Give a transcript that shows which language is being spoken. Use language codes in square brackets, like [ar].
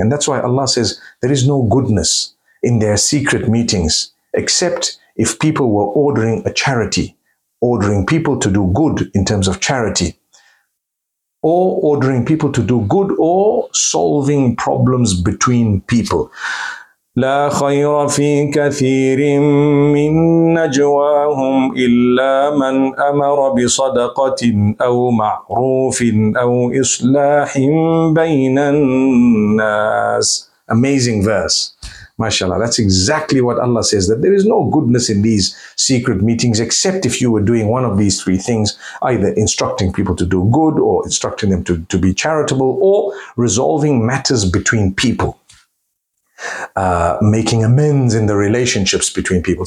[en] And that's why Allah says there is no goodness in their secret meetings, except if people were ordering a charity, ordering people to do good in terms of charity, or ordering people to do good or solving problems between people. [ar] لا خير في كثير من نجواهم إلا من أمر بصدقة أو معروف أو إصلاح بين الناس. [en] Amazing verse. MashaAllah, that's exactly what Allah says, that there is no goodness in these secret meetings except if you were doing one of these three things, either instructing people to do good or instructing them to be charitable or resolving matters between people, making amends in the relationships between people.